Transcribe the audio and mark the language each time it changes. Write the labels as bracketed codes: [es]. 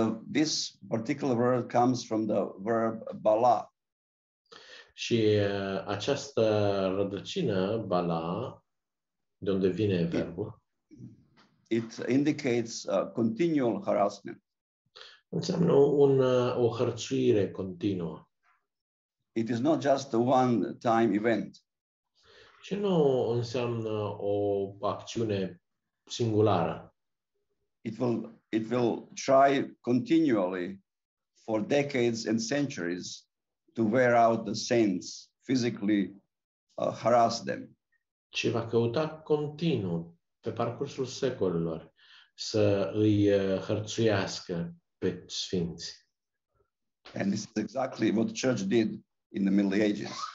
[en] This particular word comes from the verb bala. [ro] Și această rădăcină, bala, de unde vine verbul? [en] It indicates continual harassment. [ro] Înseamnă o hărțuire continuă. [en] It is not just a one-time event. [ro] Ce nu înseamnă o acțiune singulară? [en] It will try continually for decades and centuries to wear out the saints, physically harass them. [ro] Ci va căuta continuu pe parcursul secolilor să îi hărțuiască pe sfinți. [en] And this is exactly what the church did in the Middle Ages.